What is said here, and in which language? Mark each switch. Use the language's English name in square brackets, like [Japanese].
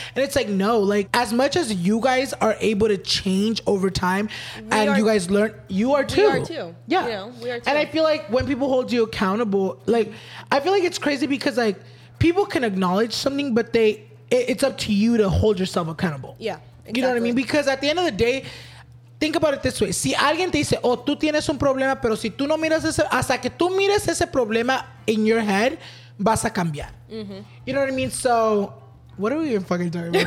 [English] And it's like, no, like, as much as you guys are able to change over time, you guys learn, you are too. We are too. Yeah. You know, we are too. And I feel like when people hold you accountable, like, I feel like it's crazy because, like, people can acknowledge something, but it's up to you to hold yourself accountable. Yeah. Exactly. You know what I mean? Because at the end of the day, think about it this way. [Spanish] Si alguien te dice, oh, tú tienes un problema, pero si tú no miras ese, hasta que tú mires ese problema [English] in your head, [Spanish] vas a cambiar. Mm-hmm. [English] You know what I mean? So, what are we even fucking talking about?